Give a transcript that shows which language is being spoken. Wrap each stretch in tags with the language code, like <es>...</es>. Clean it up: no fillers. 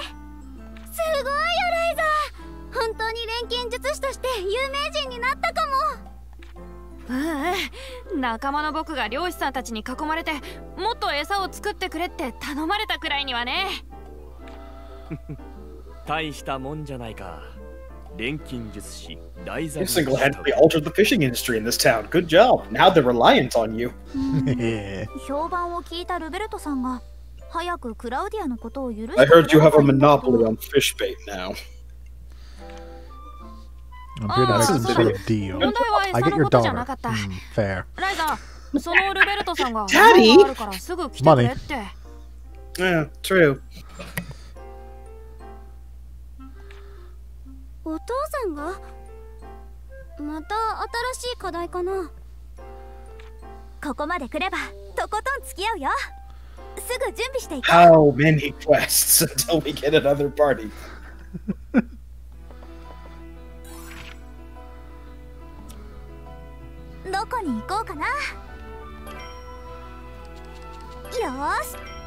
<ja>すごいよライザー、本当に錬金術師として有名人になったかも。仲間の僕が漁師さんたちに囲まれてもっと餌を作ってくれって頼まれたくらいにはね。大したもんじゃないか、錬金術師。</ja> <en>You single-handedly altered the fishing industry in this town. Good job. Now they're reliant on you.</en> <ja>評判を聞いたルベルトさんが早くクラウディアのことを許して。</ja> <en>I heard you have a monopoly on fish bait now. This is a good deal. I get your dollar. Fair.</en> <ja>ライザー、そのルベルトさんが</ja> <en>Daddy!</en> <ja>あるからすぐ来てくれって。</ja> <en>Yeah, true.</en> <ja>お父さんがまた新しい課題かな。ここまで来ればとことん付き合うよ。すぐ準備していこう。</ja> <en>How many quests until we get another party?</en> <ja>どこに行こうかな。よし。</ja>